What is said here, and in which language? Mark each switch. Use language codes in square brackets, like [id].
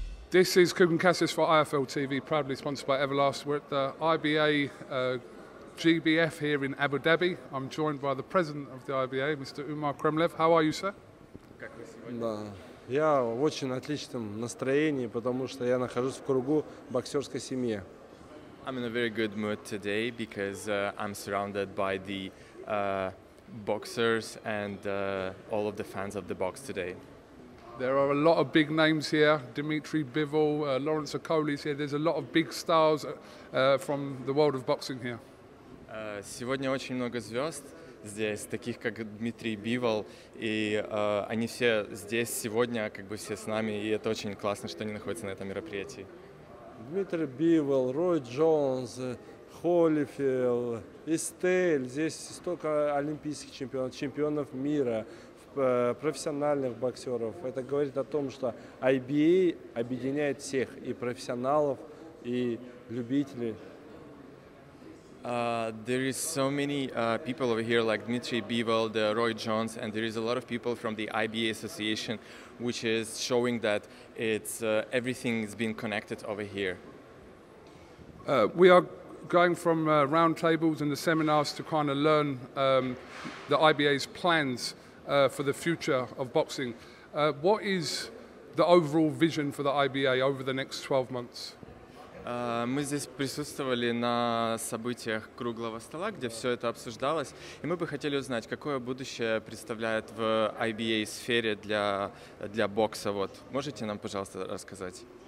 [en] This is Coogan Cassius for IFL TV, proudly sponsored by Everlast. We're at the IBA GBF here in Abu Dhabi. I'm joined by the president of the IBA, Mr. Umar Kremlev. How are you, sir? [ru] Да, я в очень отличном настроении, потому что я нахожусь в кругу боксерской семьи. [en] I'm in a very good mood today because I'm surrounded by the boxers and all of the fans of the box today. There are a lot of big names here. Dimitri Bivol, Lawrence Okolie's here. There's a lot of big stars from the world of boxing here. [ru] Сегодня очень много звезд здесь, таких как Дмитрий Бивол, и они все здесь сегодня, как бы все с нами, и это очень классно, что они находятся на этом мероприятии. Дмитрий Бивол, Рой Джонс, Холифилд, Эстель. Здесь столько олимпийских чемпионов, чемпионов мира, профессиональных боксеров. Это говорит о том, что IBA объединяет всех, и профессионалов, и любителей. [en] There is so many people over here, like Dmitry Bivol, the Roy Jones, and there is a lot of people from the IBA Association, which is showing that it's everything is being connected over here. We are going from round tables and the seminars to kind of learn the IBA's plans for the future of boxing. What is the overall vision for the IBA over the next 12 months? [ru] Мы здесь присутствовали на событиях круглого стола, где все это обсуждалось, и мы бы хотели узнать, какое будущее представляет в IBA сфере для бокса. Вот, можете нам, пожалуйста, рассказать?